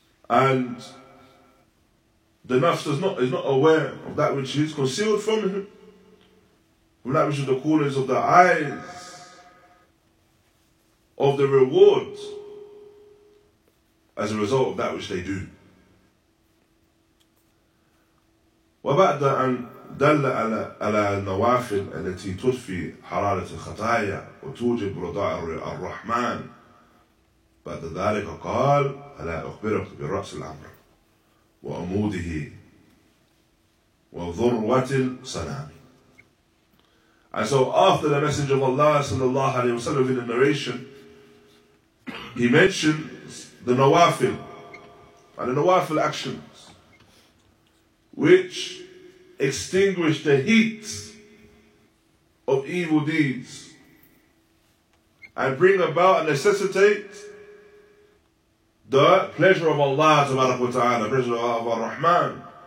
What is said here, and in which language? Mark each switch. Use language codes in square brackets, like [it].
[en] And the nafs is not aware of that which is concealed from him, from that which is the corners of the eyes, of the reward as a result of that which they do. [ar] وبعد أن دل على النوافل التي تطفي حرارة الخطايا وتوجب رضاء الرحمن بعد ذلك قال ألا أخبرك برأس الأمر وأموده وذروة السلام. [en] And so after the Messenger of Allah sallallahu alayhi wa sallam in the narration, he mentions the nawafil, and the nawafil actions which extinguish the heat of evil deeds and bring about and necessitate the pleasure of Allah subhanahu wa ta'ala, the pleasure of Allah Rahman.